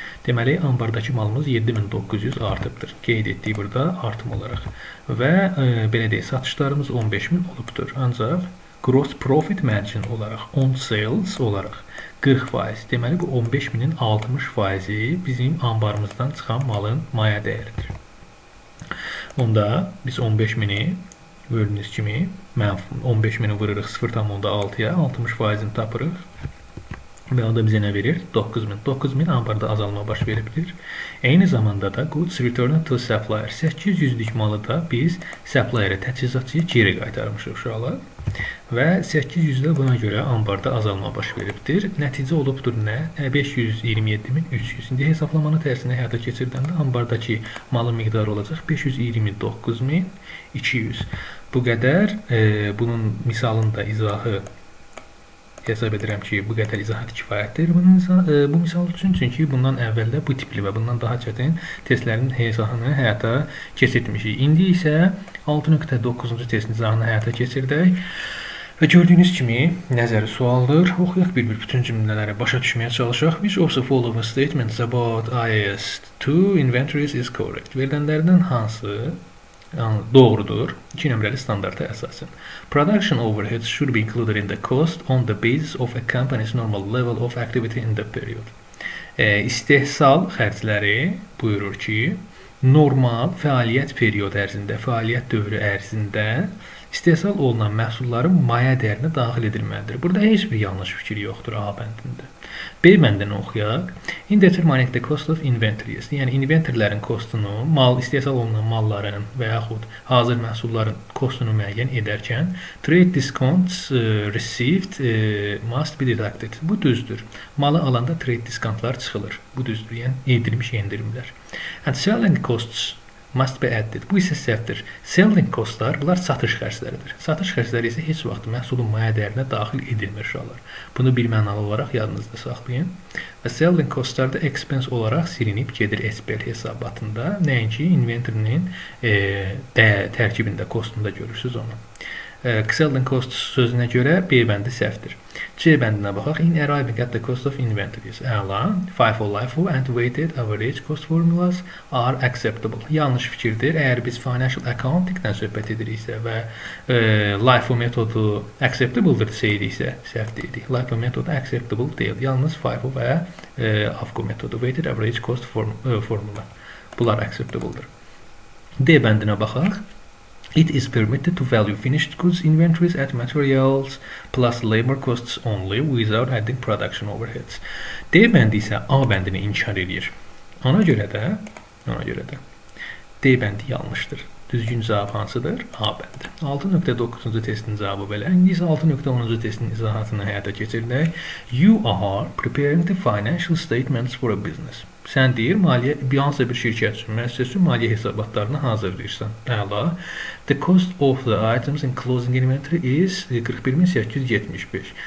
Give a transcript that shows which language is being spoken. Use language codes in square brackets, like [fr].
[az] Deməli, ambardakı malımız 7900 artıbdır. Qeyd etdiyi burada artım olaraq. Və belə deyək, satışlarımız 15000 olubdur. Ancaq gross profit margin olaraq, on sales olaraq 40%. Deməli, bu 15.000-in 60% bizim ambarımızdan çıxan malın maya dəyəridir. Onda biz 15.000-i gördüyünüz kimi 15.000-i vururuq 0.6-ya, 60%-ni tapırıq. Və o da bizə nə verir? 9.000. 9.000 ambarda azalma baş veribdir. Eyni zamanda da [en] goods returned to supplier. [az] 800-lük malı da biz supplier-ə, təchizatçıya geri qaytarmışıq uşaqlar. Və 800-də buna görə ambarda azalma baş veribdir. Nəticə olubdur nə? 527.300. İndi hesablamanı tərsinə həyata keçirdəndə ambardakı malın miqdarı olacaq 529.200. Bu qədər. Bunun misalını da izahı hesab edirəm ki, bu qədər izahat kifayətdir. Bu misal üçün, çünki bundan əvvəldə bu tipli və bundan daha çətin testlərin hesabını həyata keçirtmişik. İndi isə 6.9-cu testin izahını həyata keçirdək. Və gördüyünüz kimi nəzəri sualdır. Oxuyaq bir-bir bütün cümlələri başa düşməyə çalışaq. [en] Which of the following statements about IAS 2 inventories is correct? [az] Verilənlərdən hansı doğrudur? 2 nömrəli standarta əsasən. [en] Production overheads should be included in the cost on the basis of a company's normal level of activity in the period. [az] İstehsal xərcləri buyurur ki, normal fəaliyyət periodu ərzində, fəaliyyət dövrü ərzində İstehsal olunan məhsulların maya dəyərinə daxil edilməlidir. Burada heç bir yanlış fikir yoxdur A bəndində. B bəndini oxuyaq. [en] In determining the cost of inventories. [az] Yəni, inventorların kostunu, mal istehsal olunan malların və yaxud hazır məhsulların kostunu müəyyən edərkən, [en] trade discounts received must be deducted. [az] Bu düzdür. Malı alanda trade discountlar çıxılır. Bu düzdür. Yəni, edilmiş endirimlər. [en] And selling costs must be added. [az] Bu isə səhvdir. Selling costlar, bunlar satış xərcləridir. Satış xərcləri isə heç vaxt məhsulun maya dəyərinə daxil edilmir uşaqlar. Bunu bir mənalı olaraq yadınızda saxlayın. Və selling costlar da expense olaraq silinib gedir SPL hesabatında. Nəinki inventorinin tərkibində, kostunda görürsünüz onu. Selling cost sözünə görə B bəndi səhvdir. C bəndinə baxaq. [en] In arriving at the cost of inventories. [az] Əla. [en] FIFO, LIFO and weighted average cost formulas are acceptable. [az] Yanlış fikirdir. Əgər biz financial accounting-dən söhbət ediriksə və LIFO metodu acceptable-dır deyiriksə, səhv deyirik. LIFO metodu acceptable deyil. Yalnız FIFO və AFCO metodu, weighted average cost formula. Bunlar acceptable-dır. D bəndinə baxaq. [en] It is permitted to value finished goods inventories at materials plus labor costs only without adding production overheads. [az] D bəndi isə A bəndini inkar edir. Ona görə də D bəndi yanlışdır. Düzgün cavab hansıdır? A bəndi. 6.9-cu testin cavabı belə. İndi isə 6.10-cu testin izahatını həyata keçirdik. [en] You are preparing the financial statements for a business. [az] Sən deyir, maliyyə, bir hansısa bir şirkət üçün müəssisə maliyyə hesabatlarını hazırlayırsan. Əla. [en] The cost of the items in closing inventory is 41.875.